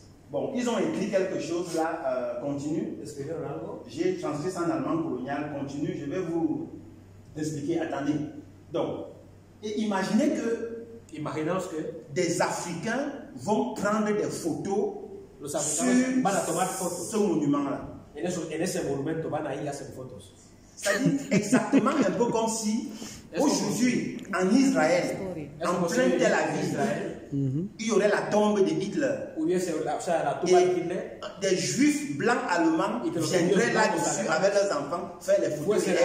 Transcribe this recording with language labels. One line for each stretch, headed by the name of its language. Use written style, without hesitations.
French: Bon, ils ont écrit quelque chose là, continue.
Spanish: Escribieron algo.
French: J'ai transcrit ça en allemand colonial, continue, je vais vous expliquer, attendez. Donc, et imaginez que,
Spanish: imaginaos que
French: des Africains vont prendre des photos
Spanish: los sur van a tomar fotos.
French: Ce monument-là.
Spanish: En ese monumento van a ir a hacer fotos.
French: C'est-à-dire exactement un peu comme si aujourd'hui en Israël, en plein Tel Aviv, il y aurait la tombe de Hitler. Et des juifs blancs allemands viendraient là-dessus avec leurs enfants faire les photos.